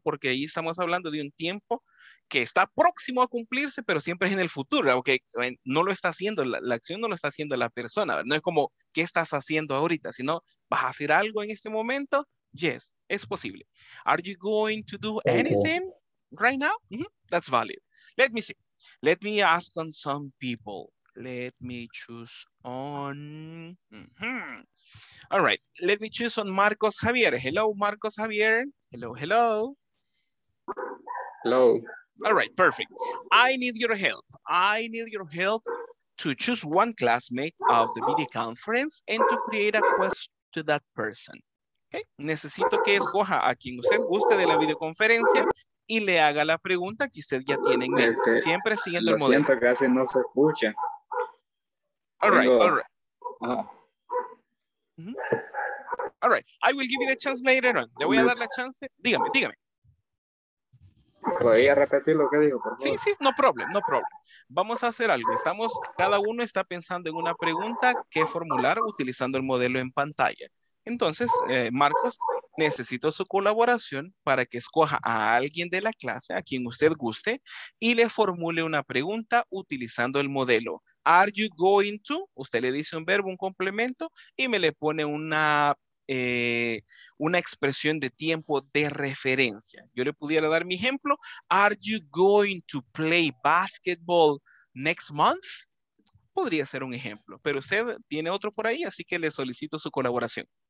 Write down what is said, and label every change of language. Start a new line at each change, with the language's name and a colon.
Spanish: Porque ahí estamos hablando de un tiempo que está próximo a cumplirse, pero siempre es en el futuro, ¿verdad? Porque no lo está haciendo, la acción no lo está haciendo la persona, ¿verdad? No es como, ¿qué estás haciendo ahorita? Sino, ¿vas a hacer algo en este momento?
English: Yes,
Spanish: es posible.
English: Are you going to do anything right now? Mm-hmm. That's valid. Let me see. Let me ask on some people. Let me choose on... Mm-hmm. All right, let me choose on Marcos Javier. Hello, Marcos Javier. Hello, hello. Hello. All right, perfect. I need your help. I need your help to choose one classmate of the video conference and to create a question to that person. Okay?
Spanish: Necesito que escoja a quien usted guste de la videoconferencia y le haga la pregunta que usted ya tiene en mente. Okay. Siempre siguiendo el modelo. Lo siento, casi no se escucha.
English: All right. Mm-hmm. All right, I will give you the chance later on.
Spanish: Le voy a dar la chance. Dígame. ¿Podría repetir lo que dijo, por favor? Sí,
English: no problem.
Spanish: Vamos a hacer algo. Cada uno está pensando en una pregunta que formular utilizando el modelo en pantalla. Entonces, Marcos, necesito su colaboración para que escoja a alguien de la clase, a quien usted guste, y le formule una pregunta utilizando el modelo.
English: Are you going to?
Spanish: Usted le dice un verbo, un complemento, y me le pone una expresión de tiempo de referencia. Yo le pudiera dar mi ejemplo.
English: Are you going to play basketball next month?
Spanish: Podría ser un ejemplo, pero usted tiene otro por ahí, así que le solicito su colaboración.